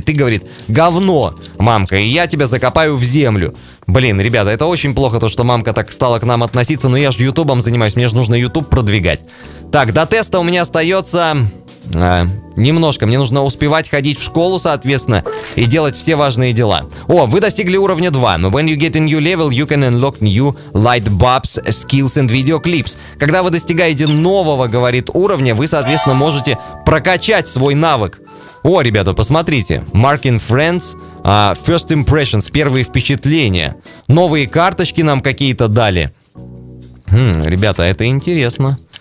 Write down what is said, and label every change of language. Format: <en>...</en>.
<ru>Ты, говорит, говно, мамка, и я тебя закопаю в землю. Блин, ребята, это очень плохо, то, что мамка так стала к нам относиться, но я же ютубом занимаюсь, мне же нужно ютуб продвигать. Так, до теста у меня остается немножко, мне нужно успевать ходить в школу, соответственно, и делать все важные дела. О, вы достигли уровня 2.</ru> <en>When you get a new level, you can unlock new light bulbs, skills and video clips.</en> <ru>Когда вы достигаете нового, говорит, уровня, вы, соответственно, можете прокачать свой навык. О, ребята, посмотрите.</ru> <en>Marking friends. First impressions.</en> <ru>Первые впечатления. Новые карточки нам какие-то дали. Ребята, это интересно.</ru>